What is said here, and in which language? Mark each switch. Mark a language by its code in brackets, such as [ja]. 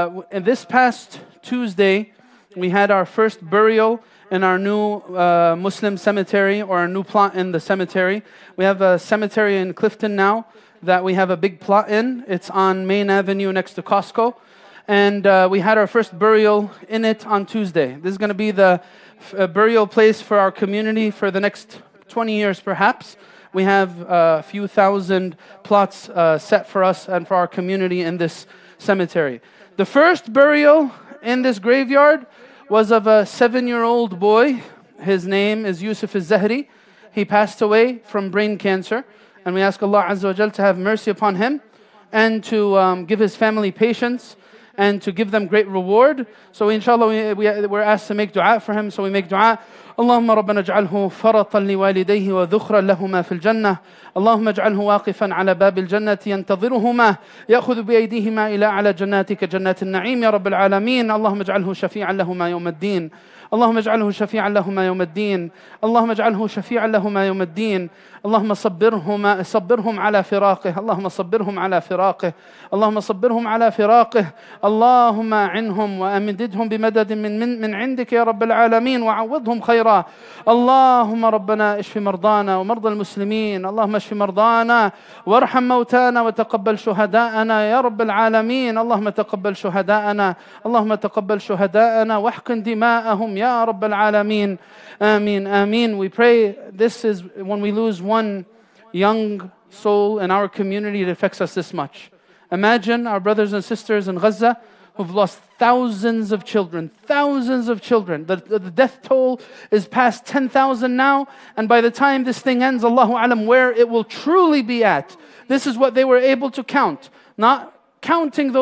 [en] in this past Tuesday we had our first burial in our new Muslim cemetery or our new plot in the cemetery. We have a cemetery in Clifton now that we have a big plot in. It's on Main Avenue next to Costco. And we had our first burial in it on Tuesday. This is going to be the burial place for our community for the next 20 years perhaps. We have a few thousand plots set for us and for our community in this cemetery. The first burial in this graveyard was of a 7-year-old boy. His name is Yusuf al-Zahri. He passed away from brain cancer. And we ask Allah Azza wa Jal to have mercy upon him and to give his family patience and to give them great reward. So inshallah, we're asked to make dua for him. So we make dua. [ar] اللهم ربنا اجعله فرطا لوالديه وذخرا لهما في الجنة اللهم اجعله واقفا على باب الجنة ينتظرهما يأخذ بأيديهما إلى أعلى جناتك جنات النعيم يا رب العالمين اللهم اجعله شفيعا لهما يوم الدين اللهم اجعله شفيعا لهما يوم الدين اللهم اجعله شفيعا لهما يوم الدين اللهم صبرهما صبرهم على فراقه اللهم صبرهم على فراقه اللهم صبرهم على فراقه اللهم عنهم وامددهم بمدد من عندك يا رب العالمين وعوضهم خيرا اللهم ربنا اشف مرضانا ومرضى المسلمين اللهم اشف مرضانا وارحم موتانا وتقبل شهداءنا يا رب العالمين اللهم تقبل شهداءنا اللهم تقبل شهداءنا واحقن دماءهم يا رب العالمين آمين آمين [en] We pray this is when we lose one young soul in our community it affects us this much imagine our brothers and sisters in Gaza who've lost thousands of children. The death toll is past 10,000 now, and by the time this thing ends, Allahu alam, where it will truly be at. This is what they were able to count, not counting those